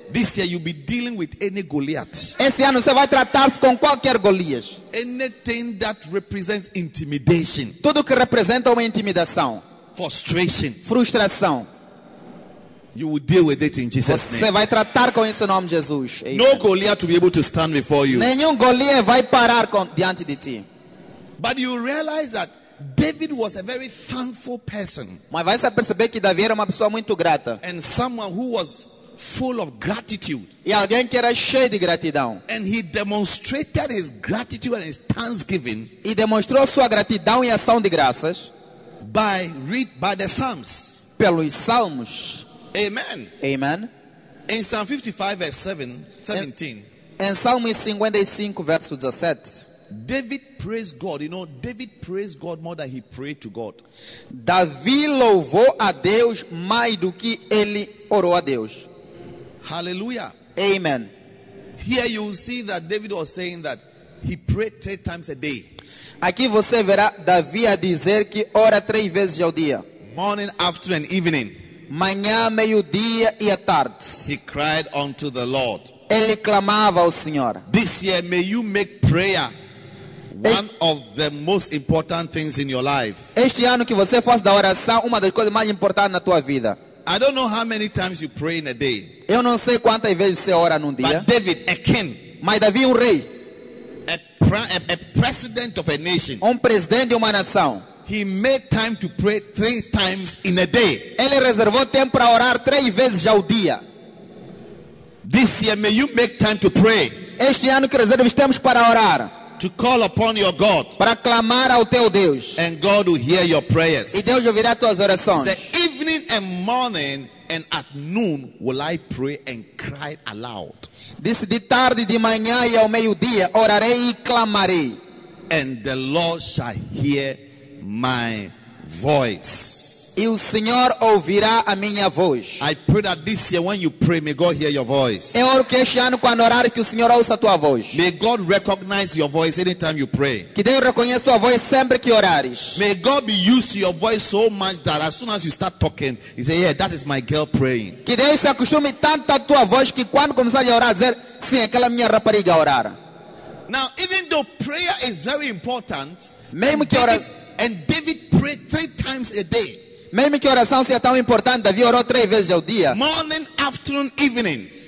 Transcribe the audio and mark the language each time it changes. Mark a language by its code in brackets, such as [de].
[en] This year you'll be dealing with any Goliath. [pt] Esse ano você vai tratar com qualquer Golias. [en] Anything that represents intimidation. [pt] Tudo que representa uma intimidação. [en] Frustration. [pt] Frustração. [en] You will deal with it in Jesus' [pt] você [en] name. [pt] Você vai tratar com isso em nome de Jesus. Amen. [en] No Goliath will be able to stand before you. [pt] Nenhum Goliath vai parar diante de ti. [en] But you realize that David was a very thankful person. [pt] Mas vai se perceber que Davi era uma pessoa muito grata. [en] And someone who was full of gratitude. [pt] E alguém que era cheio de gratidão. [en] And he demonstrated his gratitude and his thanksgiving. [pt] E demonstrou sua gratidão e ação de graças. [en] By the Psalms. [pt] Pelos Salmos. Amen. Amen. [en] In Psalm 55 verse 17. [pt] Em Salmo 55 verso 17. [en] David praised God. You know, David praised God more than he prayed to God. [pt] Davi louvou a Deus mais do que ele orou a Deus. Hallelujah. Amen. [en] Here you see that David was saying that he prayed 3 times a day. [pt] Aqui você verá Davi a dizer que ora 3 vezes ao dia. [en] Morning, after and evening. [pt] Manhã, meio-dia e à tarde. [en] He cried unto the Lord. [pt] Ele clamava ao Senhor. [en] This year may you make prayer one of the most important things in your life. [pt] Este ano que você faça da oração uma das coisas mais importantes na tua vida. [en] I don't know how many times you pray in a day. [pt] Eu não sei quantas vezes você ora num dia. [en] But David, a king. [pt] Mas Davi, um rei. [en] A president of a nation. [pt] Um presidente de uma nação. [en] He made time to pray 3 times in a day. [pt] Ele reservou tempo para orar 3 vezes ao dia. [en] This year may you make time to pray. [pt] Este ano que reserves temos para orar. [en] To call upon your God. [pt] Para clamar ao teu Deus. [en] And God will hear your prayers. [pt] E Deus ouvirá tuas orações. [en] Say, evening and morning and at noon will I pray and cry aloud. [pt] Disse, de tarde, de manhã e ao meio-dia orarei e clamarei. [en] And the Lord shall hear my voice. [pt] E o Senhor ouvirá a minha voz. [en] I pray that this year when you pray, may God hear your voice. [pt] Eu oro que este ano quando orar que o Senhor ouça a tua voz. [en] May God recognize your voice anytime you pray. [pt] Que Deus reconheça a tua voz sempre que orares. [en] May God be used to your voice so much that as soon as you start talking, you say, yeah, that is my girl praying. [pt] Que Deus se acostume tanto a tua voz que quando começar a orar, dizer, sim, aquela minha rapariga orar. [en] Now, even though prayer is very important, [pt] mesmo que orar, [en] and David prayed 3 times a day. [pt] Mesmo que a oração seja tão importante, Davi orou 3 vezes ao dia. [en] Morning, afternoon, evening.